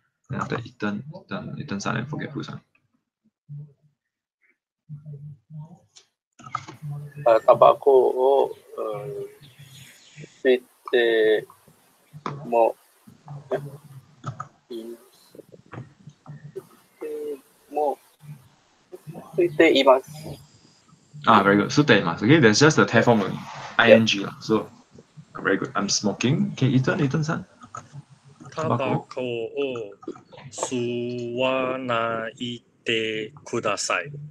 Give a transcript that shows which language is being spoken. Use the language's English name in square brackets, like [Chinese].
[English] Then after Ethan San, and forget who San. [Japanese] タバコを吸ってもいます。吸っています。 [English] Ah, very good. [Japanese] 吸っています。 [English] Okay, that's just the T form of ing.、Yeah. So, very good. I'm smoking. Okay, Ethan さん。 [Japanese] タバコを吸わないでください。